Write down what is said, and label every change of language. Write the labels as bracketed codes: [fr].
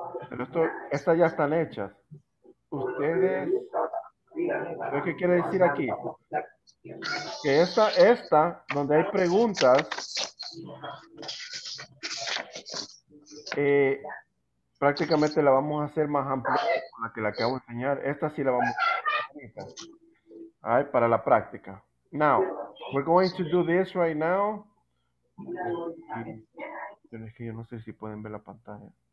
[es] Pero esto, estas ya están hechas. Ustedes, ¿qué quiere decir aquí? Que esta, esta, donde hay preguntas, prácticamente la vamos a hacer más amplia con la que la acabo de enseñar. Esta sí la vamos a hacer. Ay, para la práctica. [en] Now, we're going to do this right now. [es] Es que yo no sé si pueden ver la pantalla.